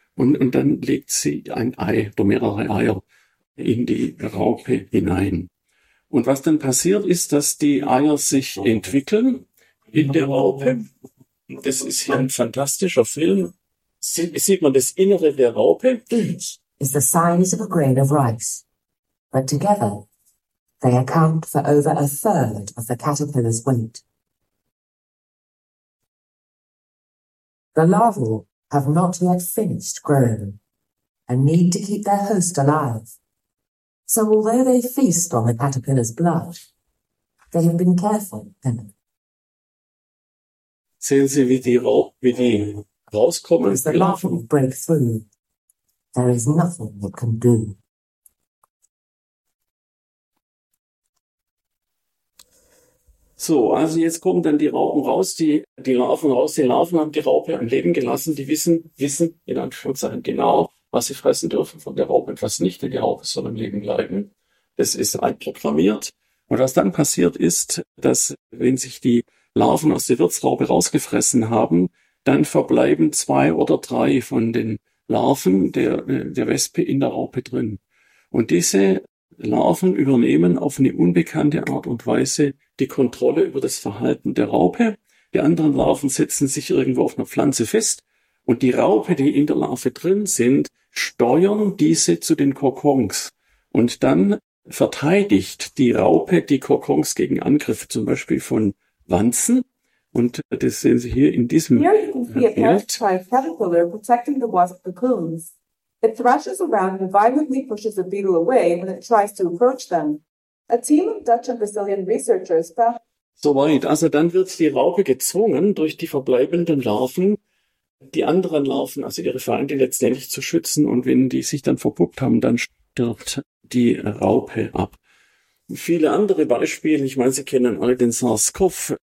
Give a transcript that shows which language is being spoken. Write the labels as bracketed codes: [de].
[de] Und dann legt sie ein Ei oder mehrere Eier in die Raupe hinein. Und was dann passiert ist, dass die Eier sich entwickeln in der Raupe. Das ist hier ein fantastischer Film. Sieht man das Innere der Raupe? [en] Each is the size of a grain of rice. But together, they account for over a third of the caterpillar's weight. The larvae have not yet finished growing and need to keep their host alive. So although they feast on the caterpillar's blood, they have been careful then. [de] Sehen Sie, wie die rauskommen. [en] As the larvae break through, there is nothing it can do. [de] So, also jetzt kommen dann die Raupen raus, die Larven raus. Die Larven haben die Raupe am Leben gelassen. Die wissen in Anführungszeichen genau, was sie fressen dürfen von der Raupe und was nicht. Denn die Raupe soll am Leben bleiben. Das ist einprogrammiert. Und was dann passiert ist, dass wenn sich die Larven aus der Wirtsraupe rausgefressen haben, dann verbleiben zwei oder drei von den Larven der Wespe in der Raupe drin. Und diese Larven übernehmen auf eine unbekannte Art und Weise die Kontrolle über das Verhalten der Raupe. Die anderen Larven setzen sich irgendwo auf einer Pflanze fest und die Raupe, die in der Larve drin sind, steuern diese zu den Kokons. Und dann verteidigt die Raupe die Kokons gegen Angriffe, zum Beispiel von Wanzen. Und das sehen Sie hier in diesem Bild. [en] Here you can see a caterpillar protecting the wasp cocoons. It thrashes around and violently pushes the beetle away when it tries to approach them. A team of Dutch and Brazilian researchers found. [de] Soweit. Also dann wird die Raupe gezwungen, durch die verbleibenden Larven, die anderen Larven, also ihre Feinde letztendlich zu schützen. Und wenn die sich dann verpuppt haben, dann stirbt die Raupe ab. viele andere Beispiele. Ich meine, Sie kennen alle den SARS-CoV.